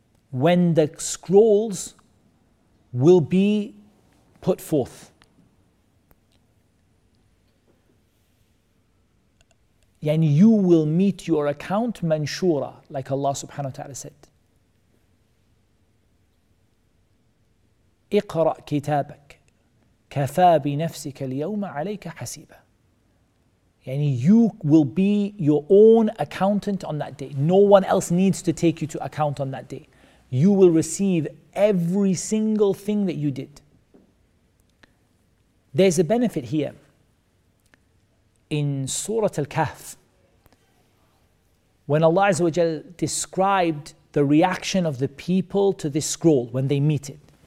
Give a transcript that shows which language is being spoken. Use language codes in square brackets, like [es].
[en] When the scrolls will be put forth. And you will meet your account manshura, like Allah subhanahu wa ta'ala said. [ar] اقرأ كتابك كفى بنفسك اليوم عليك حسيبا. يعني [en] you will be your own accountant on that day. No one else needs to take you to account on that day. You will receive every single thing that you did. There's a benefit here. In Surah Al-Kahf, when Allah Azza wa Jal described the reaction of the people to this scroll when they meet it.